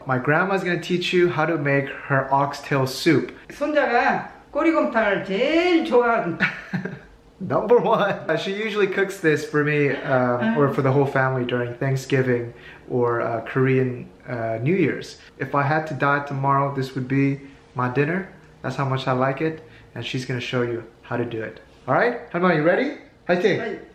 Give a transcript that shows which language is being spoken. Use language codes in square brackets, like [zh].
[en] My grandma's gonna teach you how to make her oxtail soup. [ko] 손자가 꼬리 곰탕을 제일 좋아하는 [en] Number one. She usually cooks this for me or for the whole family during Thanksgiving or Korean New Year's. If I had to die tomorrow, this would be my dinner. That's how much I like it. And she's gonna show you how to do it. All right, Hanma, you ready? [ko] 화이팅!